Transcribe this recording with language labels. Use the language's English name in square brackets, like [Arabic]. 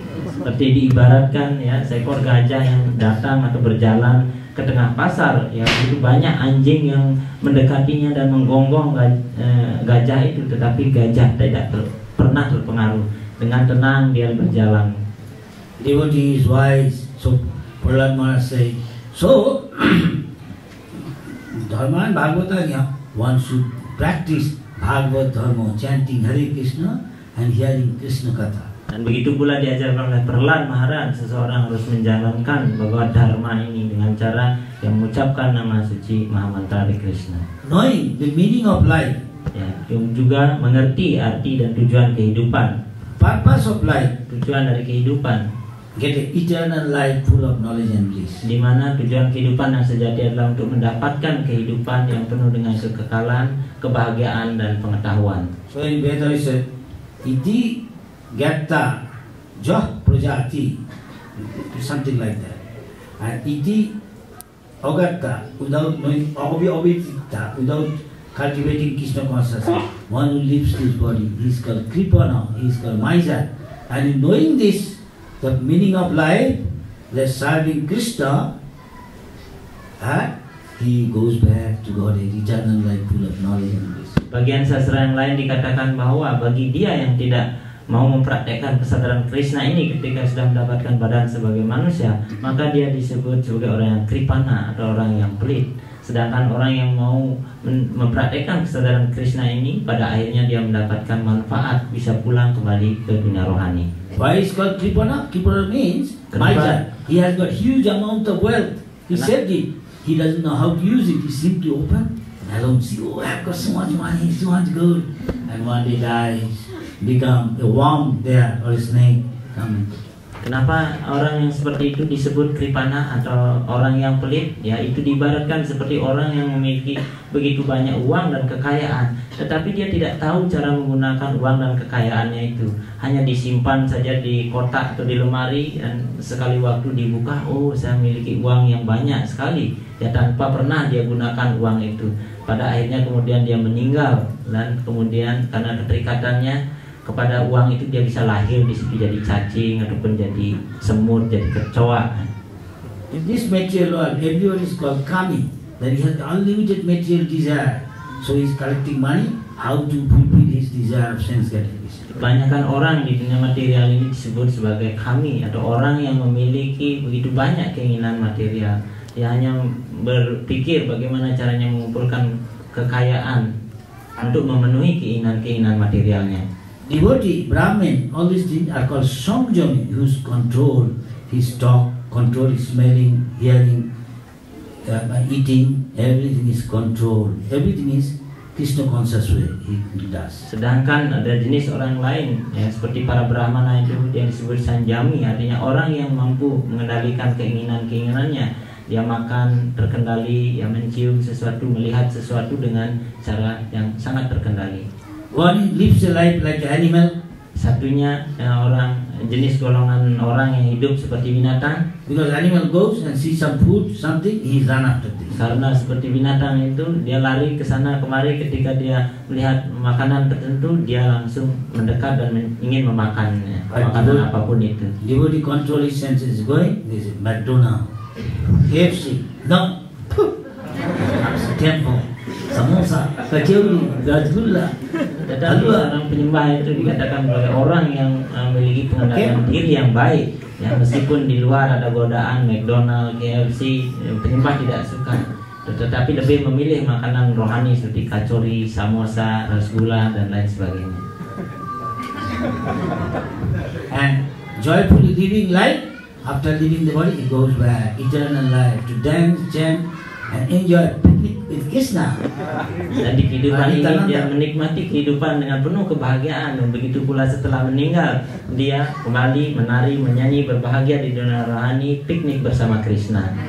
[Indonesian] Seperti diibaratkan ya, seekor gajah yang datang atau berjalan ke tengah pasar, ya itu banyak anjing yang mendekatinya dan menggonggong gajah itu, tetapi gajah tidak pernah terpengaruh. Dengan tenang dia berjalan. [English] Devotee is wise, so Prahlad Maharaj say, so dharma and bhagavata, one should practice bhagavad dharma, chanting Hare Krishna and hearing Krishna katha. [Indonesian] Dan begitu pula diajarkan oleh Prahlad Maharaj, seseorang harus menjalankan bahwa dharma ini dengan cara yang mengucapkan nama suci mahamantra Hare Krishna, [English] knowing the meaning of life, [Indonesian] ya, yang juga mengerti arti dan tujuan kehidupan, [English] purpose of life, [Indonesian] tujuan dari kehidupan. [English] Get an eternal life full of knowledge and bliss. [Indonesian] Di mana tujuan kehidupan yang sejati adalah untuk mendapatkan kehidupan yang penuh dengan kekekalan, kebahagiaan dan pengetahuan. [English] So in Veda we say, [Sanskrit] iti gatta joh prajati, [English] something like that. And iti agatta, without knowing, avitta, without cultivating Krishna consciousness, one who lives this body, he is called kripana, he is called miser. And in knowing this, the meaning of life, the serving Krishna, he goes back to God, a eternal life full of knowledge and bliss. [Indonesian] Bagian sastra yang lain dikatakan bahwa bagi dia yang tidak mau mempraktekkan kesadaran Krishna ini ketika sudah mendapatkan badan sebagai manusia, maka dia disebut sebagai orang yang kripana atau orang yang pelit. Sedangkan orang yang mau mempraktekkan kesadaran Krishna ini, pada akhirnya dia mendapatkan manfaat, bisa pulang kembali ke dunia rohani. [English] Why is called kripana? Kripana means miser. He has got huge amount of wealth. He saved it. He doesn't know how to use it. He simply open and alone see, oh, I've got so much money, so much gold. And one day dies, become a worm there or a snake. Come. [Indonesian] Kenapa orang yang seperti itu disebut kripana atau orang yang pelit? Ya, itu diibaratkan seperti orang yang memiliki begitu banyak uang dan kekayaan, tetapi dia tidak tahu cara menggunakan uang dan kekayaannya itu. Hanya disimpan saja di kotak atau di lemari, dan sekali waktu dibuka, oh, saya memiliki uang yang banyak sekali. Ya, tanpa pernah dia gunakan uang itu. Pada akhirnya kemudian dia meninggal, dan kemudian karena keterikatannya kepada uang itu, dia bisa lahir di situ jadi cacing ataupun jadi semut, jadi kecoa. [English] In this material world, everyone is called kami. Then he has unlimited material desire. So he is collecting money. How to fulfill his desire of sense gratification? [Indonesian] Kebanyakan orang di dunia material ini disebut sebagai kami atau orang yang memiliki begitu banyak keinginan material. Dia hanya berpikir bagaimana caranya mengumpulkan kekayaan untuk memenuhi keinginan-keinginan materialnya. [English] Devotee, Brahmin, all these things are called samjami, whose control his talk, control his smelling, hearing, eating, everything is controlled. Everything is Krishna conscious way he does. [Indonesian] Sedangkan ada jenis orang lain, ya, seperti para Brahmana itu yang disebut samjami, artinya orang yang mampu mengendalikan keinginan-keinginannya. Dia makan terkendali, dia mencium sesuatu, melihat sesuatu dengan cara yang sangat terkendali. [English] One lives a life like an animal. [Indonesian] Satunya orang, jenis golongan orang yang hidup seperti binatang. [English] Because animal goes and see some food, something, he run after this. [Indonesian] Karena seperti binatang itu, dia lari ke sana kemari ketika dia melihat makanan tertentu, dia langsung mendekat dan ingin memakannya. Makanan apapun itu. [English] Devotee control his senses going, this is McDonald's, KFC, no, temple, samosa, kecil, gajula. [Indonesian] Tetapi orang penyembah itu dikatakan sebagai orang yang memiliki pengendalian diri yang baik. Ya, meskipun di luar ada godaan McDonald's, KFC, penyembah tidak suka, tetapi lebih memilih makanan rohani seperti kacori, samosa, rasgula dan lain sebagainya. [English] And joyfully giving life after leaving the body, it goes back eternal life to dance, chant and enjoy picnic with Krishna. [Indonesian] Dan di kehidupan ini dia menikmati kehidupan dengan penuh kebahagiaan, dan begitu pula setelah meninggal dia kembali menari, menyanyi, berbahagia di dunia rohani, piknik bersama Krishna.